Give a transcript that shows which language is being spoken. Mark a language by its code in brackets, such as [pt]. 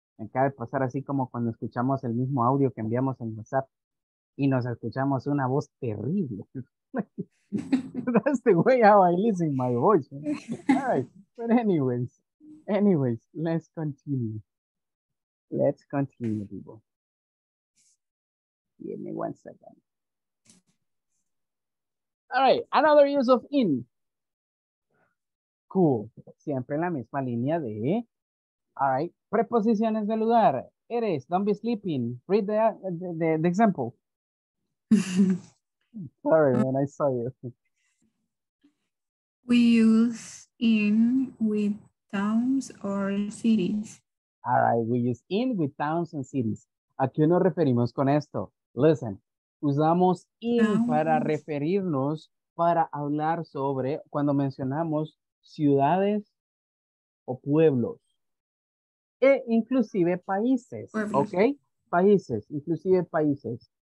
[es] Me acaba de pasar así como cuando escuchamos el mismo audio que enviamos en WhatsApp y nos escuchamos una voz terrible. [en] That's the way how I listen my voice. All right. But anyways, let's continue. Let's continue, people. Give me one second. All right, another use of in. Cool. [es] Siempre en la misma línea de... All right, preposiciones de lugar. [en] It is, don't be sleeping. Read the example. Sorry, man, I saw you. We use in with towns or cities. All right, we use in with towns and cities. [es] ¿A qué nos referimos con esto? Listen, usamos in towns para referirnos, para hablar sobre, cuando mencionamos ciudades o pueblos. E inclusive países, ¿ok? Países, inclusive países.